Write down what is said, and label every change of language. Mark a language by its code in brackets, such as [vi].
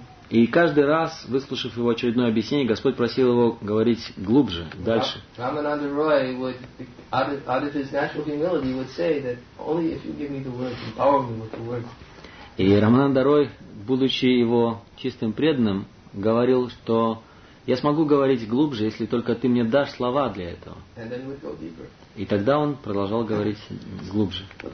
[ru] И каждый раз, выслушав его очередное объяснение, Господь просил его говорить глубже, дальше. [en] Рамананда Рой, out of his natural humility, would say that only if you give me the words, empower me with the words. [ru] И Рамананда Рой, будучи его чистым преданным, говорил, что я смогу говорить глубже, если только ты мне дашь слова для этого. И тогда он продолжал говорить глубже.